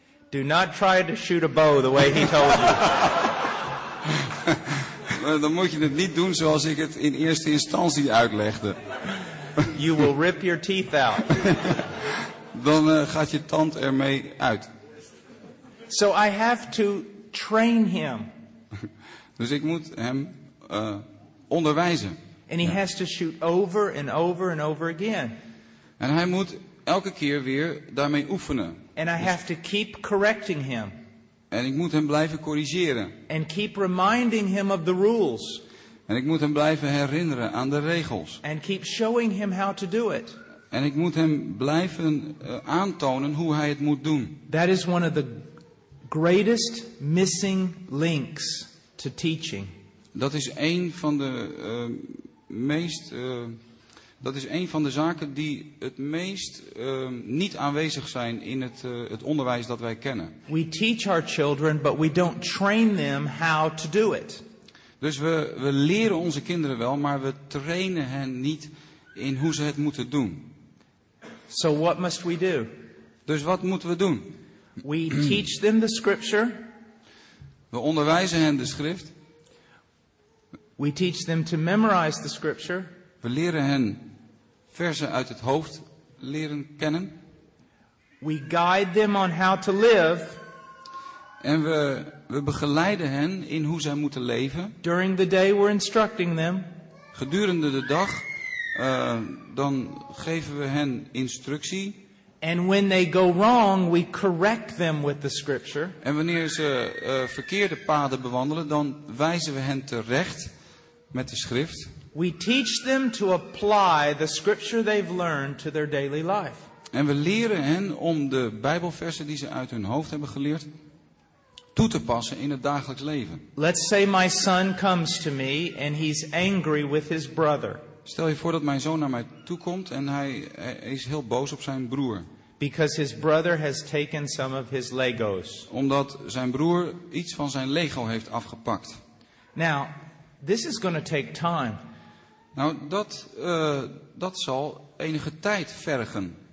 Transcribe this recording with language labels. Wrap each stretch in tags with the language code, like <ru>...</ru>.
<en>do not try to shoot a bow the way he told you.</en> <nl>Dan moet je het niet doen zoals ik het in eerste instantie uitlegde.</nl> <en>You will rip your teeth out.</en> <nl>Dan gaat je tand ermee uit.</nl> <en>So I have to train him.</en> <nl>Dus ik moet hem onderwijzen.</nl> <en>And he has to shoot over and over and over again.</en> <nl>En hij moet elke keer weer daarmee oefenen.</nl> <en>And I have to keep correcting him.</en> <nl>En ik moet hem blijven corrigeren.</nl> <en>And keep reminding him of the rules.</en> <nl>En ik moet hem blijven herinneren aan de regels.</nl> <en>And keep showing him how to do it.</en> <nl>En ik moet hem blijven aantonen hoe hij het moet doen.</nl> <en>That is one of the greatest missing links. To teaching.</en> <nl>Dat is een van de meest. Dat is een van de zaken die het meest niet aanwezig zijn in het onderwijs dat wij kennen.</nl> <en>We teach our children, but we don't train them how to do it.</en> <nl>Dus we leren onze kinderen wel, maar we trainen hen niet in hoe ze het moeten doen.</nl> <en>So what must we do?</en> <nl>Dus wat moeten we doen?</nl> <en>We teach them the scripture.</en> <nl>We onderwijzen hen de schrift.</nl> <en>We teach them to memorize the scripture.</en> <nl>We leren hen verzen uit het hoofd leren kennen.</nl> <en>We guide them on how to live.</en> <nl>En we begeleiden hen in hoe zij moeten leven.</nl> <en>During the day we're instructing them.</en> <nl>Gedurende de dag dan geven we hen instructie.</nl> <en>And when they go wrong, we correct them with the scripture.</en> <nl>En wanneer ze verkeerde paden bewandelen, dan wijzen we hen terecht met de schrift.</nl> <en>We teach them to apply the scripture they've learned to their daily life.</en> <nl>En we leren hen om de Bijbelversen die ze uit hun hoofd hebben geleerd toe te passen in het dagelijks leven.</nl> <en>Let's say my son comes to me and he's angry with his brother.</en> <nl>Stel je voor dat mijn zoon naar mij toe komt en hij is heel boos op zijn broer.</nl> <en>Because his brother has taken some of his Legos.</en> <nl>Omdat zijn broer iets van zijn Lego heeft afgepakt.</nl> <en>Now, this is going to take time.</en> <nl>Nou, dat zal enige tijd vergen.</nl>